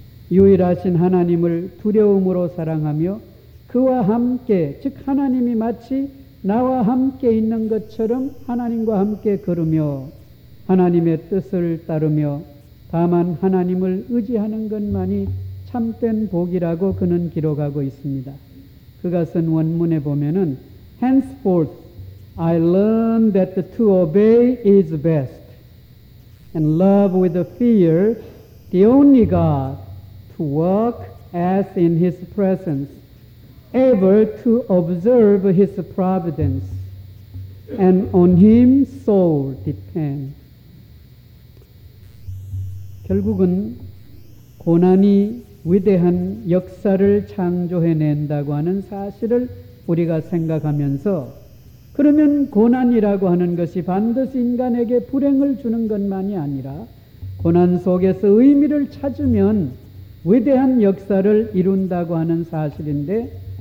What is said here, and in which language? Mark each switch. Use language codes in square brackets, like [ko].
[ko] 유일하신 하나님을 두려움으로 사랑하며 그와 함께, 즉 하나님이 마치 나와 함께 있는 것처럼 하나님과 함께 걸으며 하나님의 뜻을 따르며 다만 하나님을 의지하는 것만이 참된 복이라고 그는 기록하고 있습니다. 그가 쓴 원문에 보면은 [en] Henceforth I learn that to obey is best and love with fear the only God to walk as in his presence able to observe his providence and on him soul depend. [ko] 결국은 고난이 위대한 역사를 창조해낸다고 하는 사실을 우리가 생각하면서 그러면 고난이라고 하는 것이 반드시 인간에게 불행을 주는 것만이 아니라 고난 속에서 의미를 찾으면 위대한 역사를 이룬다고 하는 사실인데